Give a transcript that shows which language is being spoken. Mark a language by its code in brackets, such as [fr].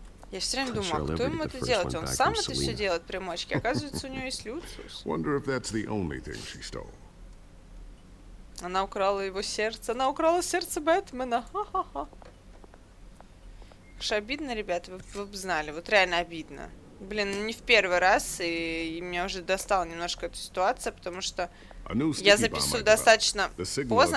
[ru] Я все время думаю, кто ему это делает? Он сам это все делает, примочки. Оказывается, у нее есть Люциус. [en] Wonder if that's the only thing she stole. [ru] Она украла его сердце. Она украла сердце Бэтмена. Ха-ха-ха. Обидно, ребята, вы бы знали. Вот реально обидно. Блин, не в первый раз, и меня уже достала немножко эта ситуация, потому что я записываю достаточно поздно.